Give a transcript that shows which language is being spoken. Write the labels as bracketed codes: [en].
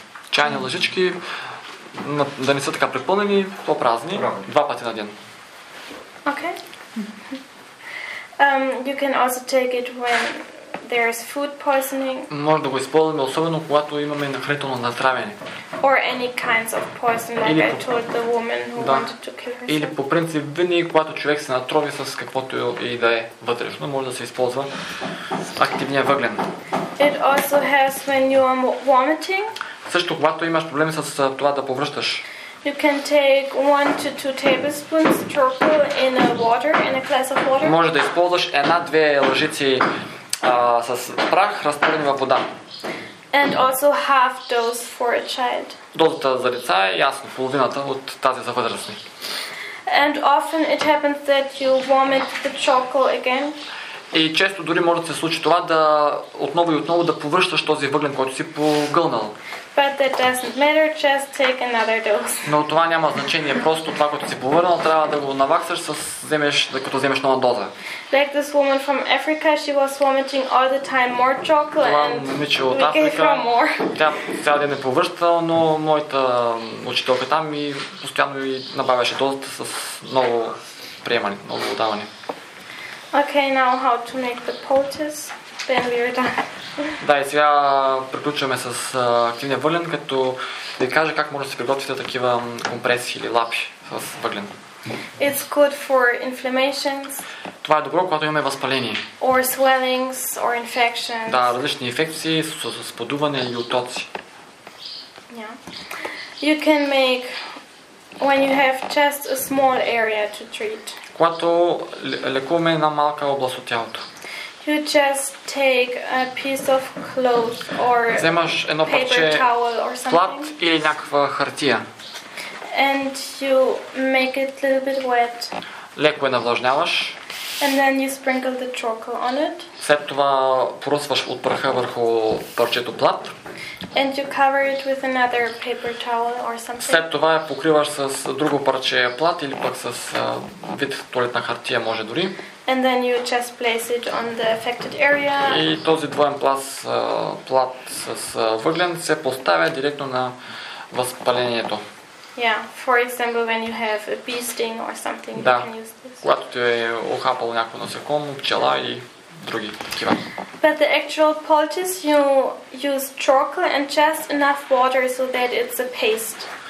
[bg] Чайни лъжички, да не са така препълнени, по-празни, два пъти на ден. [en] Okay. You can also take it when there is food poisoning. [bg] Може да го използваме, особено когато имаме нахранително натравяне. [en] Or any kinds of poison, like I told the woman who wanted to kill herself. [bg] Или по принцип, винаги когато човек се натрови с каквото и да е вътрешно, може да се използва активния въглен. [en] It also helps when you are vomiting. [bg] Също когато имаш проблеми с това да повръщаш. [en] You can take 1-2 tablespoons charcoal in a water, in a glass of water. [bg] Може да използваш 1-2 лъжици с прах, разтворени във вода. [en] And also half dose for a child. [bg] Дозата за деца е ясно, половината от тази за възрастни. [en] And often it happens that you vomit the charcoal again. [bg] И често дори може да се случи това да отново и отново да повръщаш този въглен, който си погълнал. [en] But that doesn't matter, just take another dose. [bg] Но това няма значение, просто това, което си повърнал, трябва да го наваксаш, като вземеш нова доза. [en] Like this woman from Africa, she was vomiting all the time more chocolate. [bg] Това момиче от Африка, тя цял ден е повръщала, но моята учителка там и постоянно и набавяше дозата с ново приемане, ново отдаване. [en] Okay, now how to make the poultice, then we are done. [bg] Да, и сега приключваме с активния въглен, като ви кажа как може да се приготвите такива компреси или лапи с въглен. [en] It's good for inflammations. [bg] Това е добро, когато имаме възпаление. [en] Or swellings, or infections. [bg] Да, различни инфекции с подуване и отоци. [en] Yeah. You can make when you have just a small area to treat. [bg] Когато лекуваме една малка област от тялото. [en] You just take a piece of cloth or [bg] вземаш едно парче плат или някаква хартия. [en] And you make it a little bit wet. [bg] Леко я навлажняваш. [en] And then you sprinkle the charcoal on it. [bg] След това поръсваш от праха върху парчето плат. [en] And you cover it with another paper towel or something. [bg] След това я покриваш с друго парче плат или пък с вид туалетна хартия може дори. [en] And then you just place it on the affected area. [bg] И този двоен пласт плат с въглен се поставя директно на възпалението. [en] Yeah, for example when you have a bee sting or something, [bg] да, [en] you can use this. [bg] Когато ти е охапало някакво насекомо, пчела и други такива. [en] But the actual poultice you use charcoal and just enough water so that it's a paste.